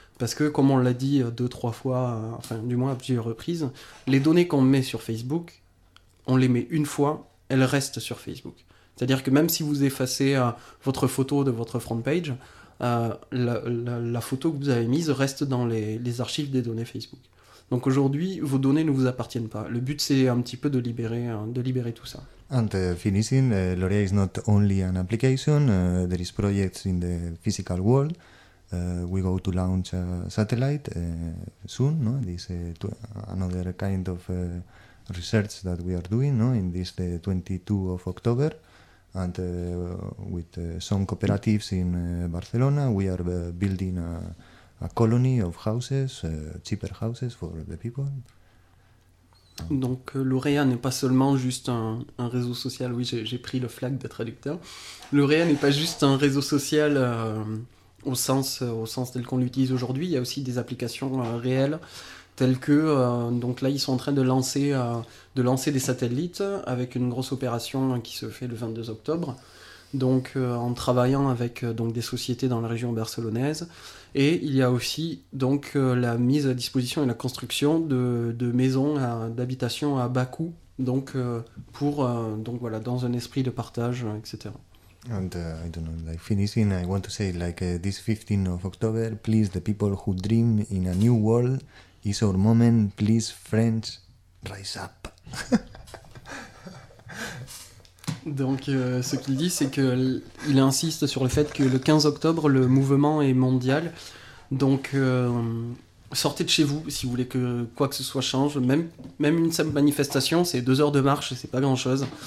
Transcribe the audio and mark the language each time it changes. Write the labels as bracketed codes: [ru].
[fr] Parce que, comme on l'a dit deux, trois fois, enfin du moins à plusieurs reprises, les données qu'on met sur Facebook, on les met une fois, elles restent sur Facebook. C'est-à-dire que même si vous effacez votre photo de votre front page, la photo que vous avez mise reste dans les archives des données Facebook. Donc aujourd'hui, vos données ne vous appartiennent pas. Le but, c'est un petit peu de libérer tout ça. [en] And finishing, Lorea is not only an application, there is projects in the physical world. We go to launch a satellite soon, no? This another kind of research that we are doing, no? In this the 22 of October, and with some cooperatives in Barcelona, we are building a colony of houses, cheaper houses for the people. [fr] Donc Lorea n'est pas seulement juste un réseau social. Oui, j'ai pris le flag de traducteur. Lorea n'est pas juste un réseau social. Au sens tel qu'on l'utilise aujourd'hui, il y a aussi des applications réelles telles que donc là ils sont en train de lancer des satellites avec une grosse opération qui se fait le 22 octobre. Donc en travaillant avec donc des sociétés dans la région barcelonaise, et il y a aussi donc la mise à disposition et la construction de maisons d'habitation à bas coût, donc pour dans un esprit de partage, etc. [en] And I don't know, like finishing, I want to say like this 15th of October, please, the people who dream in a new world, is our moment, please, friends, rise up. [fr] Donc ce qu'il dit, c'est qu'il insiste sur le fait que le 15 octobre, le mouvement est mondial, donc sortez de chez vous si vous voulez que quoi que ce soit change, même une simple manifestation, c'est 2 heures de marche, c'est pas grand chose.